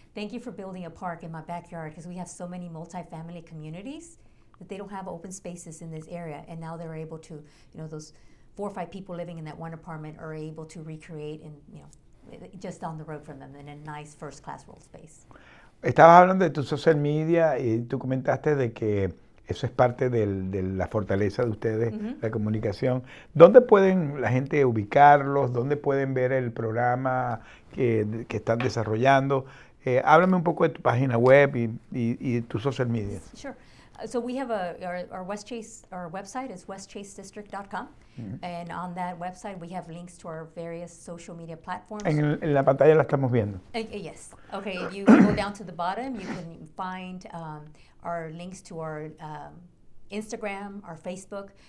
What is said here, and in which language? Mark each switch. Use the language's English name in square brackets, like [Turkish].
[English] Thank you for building a park in my backyard, because we have so many multifamily communities that they don't have open spaces in this area, and now they're able to, you know, those 4 or 5 people living in that one apartment are able to recreate in, you know, just down the road from them in a nice first-class world space. [Spanish] Estabas hablando de tu social media y tú comentaste de que eso es parte de la fortaleza de ustedes, mm-hmm. la comunicación. ¿Dónde pueden la gente ubicarlos? ¿Dónde pueden ver el programa que están desarrollando? Háblame un poco de tu página web y tu social media. [English] Sure. So we have our website is westchasedistrict.com, mm-hmm. and on that website we have links to our various social media platforms. [Spanish] En la pantalla la estamos viendo. [English] Yes. Okay, you go down to the bottom, you can find our links to our Instagram, our Facebook.